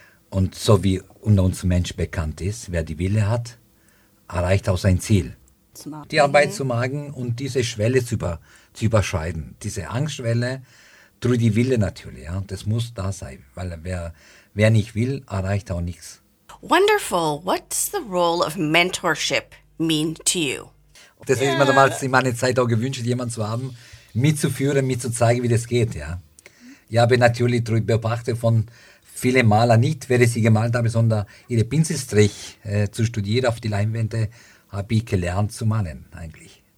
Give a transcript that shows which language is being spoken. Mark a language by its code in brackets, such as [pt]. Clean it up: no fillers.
[de] Und so wie unter uns Mensch bekannt ist, wer die Wille hat, erreicht auch sein Ziel. Die Arbeit zu machen und diese Schwelle zu überschreiten, diese Angstschwelle, durch die Wille natürlich. Ja. Das muss da sein, weil wer nicht will, erreicht auch nichts. [en] Wonderful. What does the role of mentorship mean to you? [de] Das ist mir damals in meiner Zeit auch gewünscht, jemanden zu haben, mitzuführen, mitzuzeigen, wie das geht. Ja. Ich habe natürlich darüber beobachtet von vielen Malern, nicht, wer sie gemalt haben, sondern ihre Pinselstrich zu studieren auf die Leinwände, habe ich gelernt zu malen eigentlich.